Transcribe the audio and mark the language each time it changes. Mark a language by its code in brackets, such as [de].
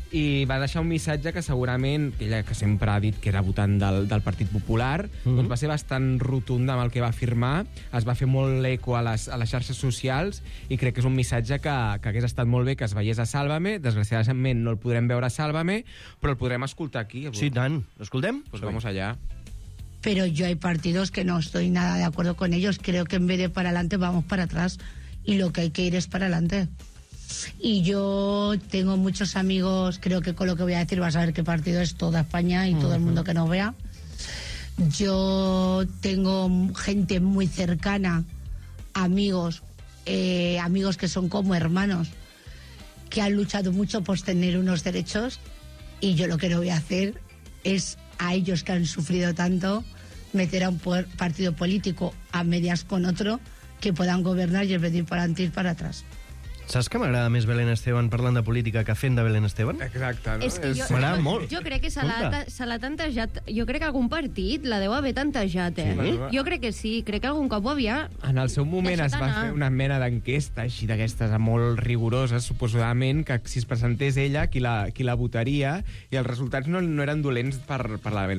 [ca] I va deixar un missatge que segurament, ella que sempre ha dit que era votant del Partit Popular, doncs va ser bastant rotunda amb el que va afirmar. Es va fer molt l'eco a les xarxes socials i crec que és un missatge que hagués estat molt bé que es veiés a Sálvame. Desgraciadament no el podrem veure a Sálvame, però el podrem escoltar aquí. Sí, tant. L'escoltem? [es] Pues sí. Vamos allá. Pero yo hay partidos que no estoy nada de acuerdo con ellos. Creo que en vez de para adelante vamos para atrás. Y lo que hay que ir es para adelante. Y yo tengo muchos amigos, creo que con lo que voy a decir vas a ver qué partido es toda España y todo el mundo que nos vea. Yo tengo gente muy cercana, amigos que son como hermanos, que han luchado mucho por tener unos derechos y yo lo que no voy a hacer es a ellos que han sufrido tanto meter a un partido político a medias con otro que puedan gobernar y el venir para adelante y para atrás. [ca] Saps que m'agrada més Belén Esteban parlant de política que fent de Belén Esteban? Exacte, no? És que jo, m'agrada molt. Jo crec que se l'ha tantejat. Jo crec que algun partit la deu haver tantejat, eh? Sí? Jo crec que sí. Crec que algun cop ho havia... En el seu moment es va fer una mena d'enquesta així d'aquestes molt rigoroses, suposadament, que si es presentés ella, qui la votaria, i els resultats no eren dolents per la...